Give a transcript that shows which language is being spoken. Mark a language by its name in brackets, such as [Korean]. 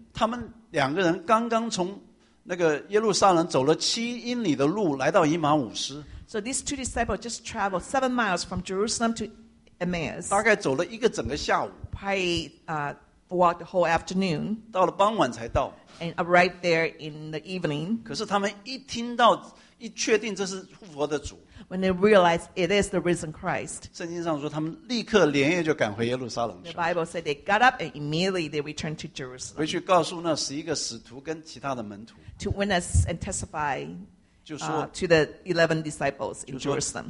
[Chinese] 他们两个人刚刚从那个耶路撒冷走了7英里的路来到以马忤斯。 [English] So these two disciples just traveled 7 miles from Jerusalem to Emmaus. [Chinese] 大概走了一个整个下午。 [English] Probably walked the whole afternoon. [Chinese] 到了傍晚才到。 [English] And arrived there in the evening. [Chinese] 可是他们一听到一确定这是复活的主。 [English] When they realize it is the risen Christ. [Chinese] 圣经上说他们立刻连夜就赶回耶路撒冷去。 [English] The Bible said they got up and immediately they returned to Jerusalem. [Chinese] 回去告诉那11个使徒跟其他的门徒。 [English] To witness and testify [Chinese] 就说, [English] to the 11 disciples in Jerusalem.